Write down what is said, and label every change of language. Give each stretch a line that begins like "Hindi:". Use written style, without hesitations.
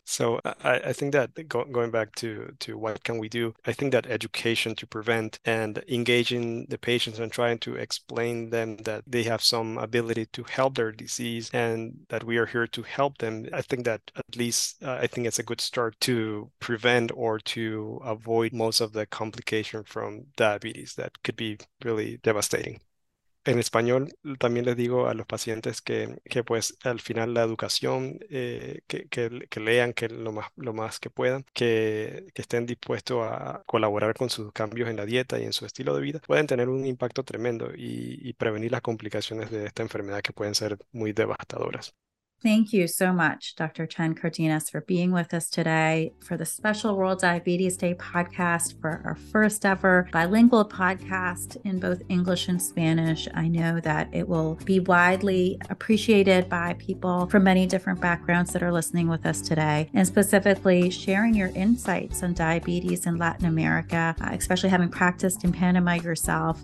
English: So I think that going back to what can we do, I think that education to prevent and engaging the patients and trying to explain them that they have some ability to help their disease and that we are here to help them, I think that at least I think it's a good start to prevent or to avoid most of the complication from diabetes that could be really devastating.
Spanish: En español también les digo a los pacientes que pues al final la educación que lean que lo más que puedan que estén dispuestos a colaborar con sus cambios en la dieta y en su estilo de vida pueden tener un impacto tremendo y prevenir las complicaciones de esta enfermedad que pueden ser muy devastadoras.
English: Thank you so much, Dr. Chen Cardenas, for being with us today for the special World Diabetes Day podcast, for our first ever bilingual podcast in both English and Spanish. I know that it will be widely appreciated by people from many different backgrounds that are listening with us today, and specifically sharing your insights on diabetes in Latin America, especially having practiced in Panama yourself.